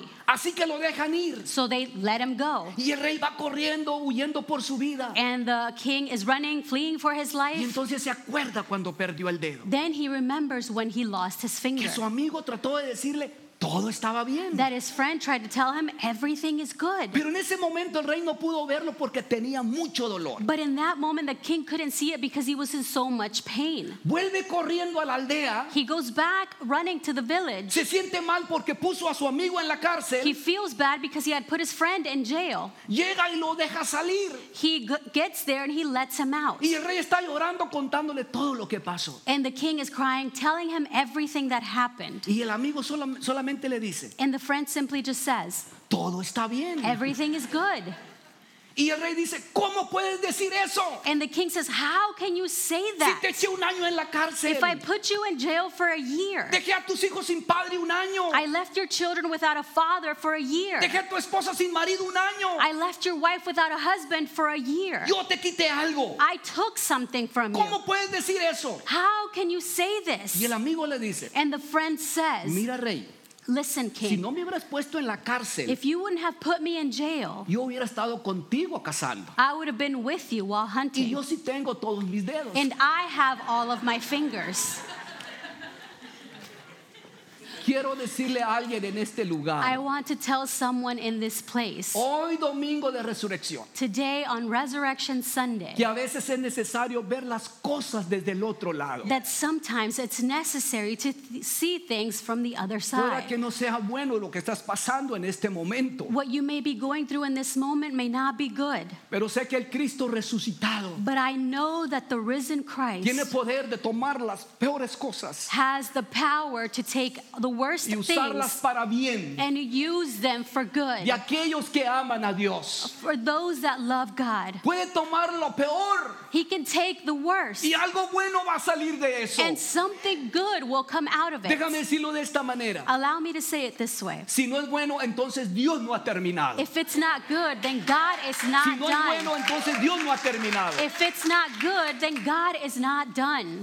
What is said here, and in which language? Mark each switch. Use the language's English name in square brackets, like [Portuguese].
[Spanish] Así que lo dejan ir. [English] So they let him go. [Spanish] Y el rey va corriendo, huyendo por su vida. [English] And the king is running, fleeing for his life. [Spanish] Y entonces se acuerda cuando perdió el dedo. [English] Then he remembers when he lost his finger. [Spanish] Que su amigo trató de decirle, todo estaba bien. [English] That his friend tried to tell him everything is good. [Spanish] Pero en ese momento el rey no pudo verlo porque tenía mucho dolor. [English] But in that moment the king couldn't see it because he was in so much pain. [Spanish] Vuelve corriendo a la aldea. [English] He goes back running to the village. [Spanish] Se siente mal porque puso a su amigo en la cárcel. [English] He feels bad because he had put his friend in jail. [Spanish] Llega y lo deja salir. [English] He gets there and he lets him out. [Spanish] Y el rey está llorando contándole todo lo que pasó. [English] And the king is crying, telling him everything that happened. [Spanish] Y el amigo solamente le dice, [English] and the friend simply just says, [Spanish] todo está bien. [English] Everything is good. [Spanish] Y el rey dice, ¿cómo puedes decir eso? [English] And the king says, how can you say that? [Spanish] Si te eché un año en la cárcel. [English] If I put you in jail for a year. [Spanish] Dejé a tus hijos sin padre un año. [English] I left your children without a father for a year. [Spanish] Dejé a tu esposa sin marido un año. [English] I left your wife without a husband for a year. [Spanish] Yo te quité algo. [English] I took something from [Spanish] ¿cómo ¿Cómo puedes decir eso? [English] How can you say this? [Spanish] Y el amigo le dice, [English] and the friend says, [Spanish] mira, rey, [English] listen, king. [Spanish] Si no me hubieras puesto en la cárcel, [English] if you wouldn't have put me in jail, [Spanish] yo hubiera estado contigo cazando. [English] I would have been with you while hunting. [Spanish] Y yo sí tengo todos mis dedos. [English] And I have all of my fingers. [Spanish] Quiero decirle a alguien en este lugar. [English] I want to tell someone in this place. [Spanish] Hoy domingo de resurrección. [English] Today on Resurrection Sunday. [Spanish] Que a veces es necesario ver las cosas desde el otro lado. [English] That sometimes it's necessary to see things from the other side. [Spanish] Pueda que no sea bueno lo que estás pasando en este momento. [English] What you may be going through in this moment may not be good. [Spanish] Pero sé que el Cristo resucitado. [English] But I know that the risen Christ. [Spanish] Tiene poder de tomar las peores cosas. [English] Has the power to take the worst things [Spanish] para bien, [English] and use them for good. [Spanish] Y aquellos que aman a Dios, [English] for those that love God. [Spanish] Puede tomar lo peor, [English] he can take the worst. [Spanish] Y algo bueno va a salir de eso, [English] and something good will come out of it. [Spanish] Déjame decirlo de esta manera. [English] Allow me to say it this way. [Spanish] Si no es bueno, entonces Dios no ha terminado. [English] If it's not good, then God is not [Spanish] si no [English] done. [Spanish] Es bueno, entonces Dios no ha terminado. [English] If it's not good, then God is not done.